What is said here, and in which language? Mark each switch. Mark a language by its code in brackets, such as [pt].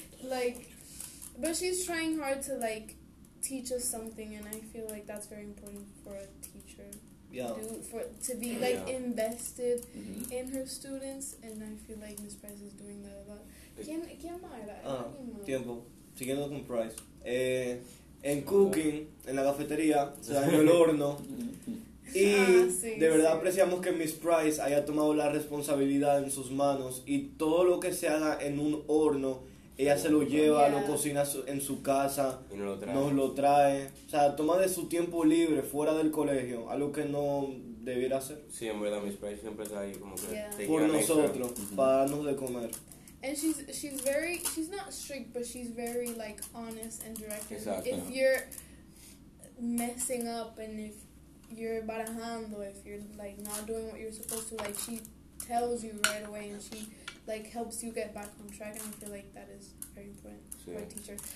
[en] Like, but she's trying hard to, like, teach us something, and I feel like that's very important for a teacher. To be invested in her students, and I feel like Miss Price is doing that a lot. [es] ¿Quién más? Tiempo. Siguiendo con Price. En cooking, en la cafetería, se dañó el horno. Y de verdad apreciamos que Miss Price haya tomado la responsabilidad en sus manos, y todo lo que se haga en un horno, ella se lo lleva, lo cocina en su casa, nos lo trae. O sea, toma de su tiempo libre, fuera del colegio, algo que no debiera hacer. Sí, en verdad, Miss Price siempre está ahí como que... [en] Yeah. [es] Por nosotros, para darnos de comer. [en] And she's not strict, but she's very, like, honest and direct. [es] Exacto. [en] If you're messing up, and if you're barajando, if you're, like, not doing what you're supposed to, like, she tells you right away, and she, like, helps you get back on track, and I feel like that is very important for a teacher.